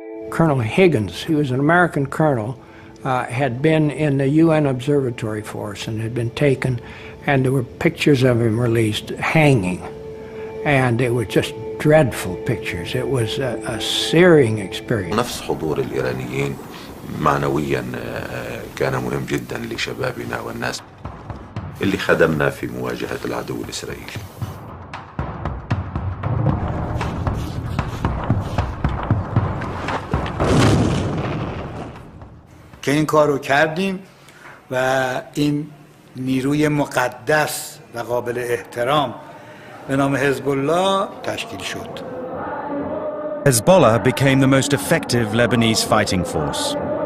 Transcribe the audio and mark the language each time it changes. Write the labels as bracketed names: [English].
[English] Colonel Higgins, who was an American colonel, had been in the UN observatory force and had been taken, and there were pictures of him released hanging, and it was just dreadful pictures. It was a searing experience. [Arabic] نفس حضور الإيرانيين معنويا كان مهم جدا لشبابنا والناس اللي خدمنا في مواجهة العدو الإسرائيلي. [Persian] که این کارو کردیم و این نیروی مقدس و قابل احترام به نام حزب الله تشکیل شد. [English] Hezbollah became the most effective Lebanese fighting force.